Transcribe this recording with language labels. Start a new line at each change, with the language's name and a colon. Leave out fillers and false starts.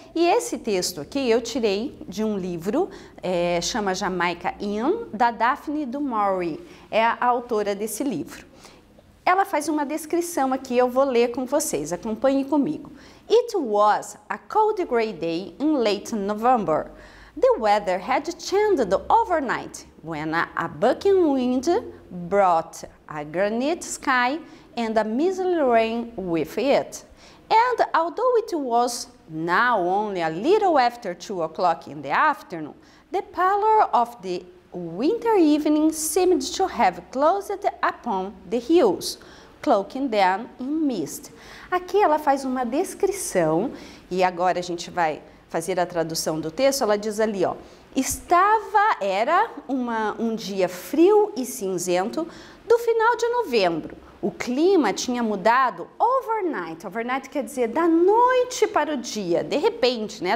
Portuguese: E esse texto aqui eu tirei de um livro, chama Jamaica Inn, da Daphne du Maurier, é a autora desse livro. Ela faz uma descrição aqui, eu vou ler com vocês, acompanhe comigo.
English: It was a cold gray day in late November. The weather had changed overnight when a bucking wind brought a granite sky and a mizzly rain with it. And although it was now only a little after 2 o'clock in the afternoon, the pallor of the winter evening seemed to have closed upon the hills, cloaking them in mist.
Portuguese: Aqui ela faz uma descrição e agora a gente vai fazer a tradução do texto, ela diz ali, ó, era um dia frio e cinzento do final de novembro. O clima tinha mudado overnight. Overnight quer dizer da noite para o dia, de repente, né?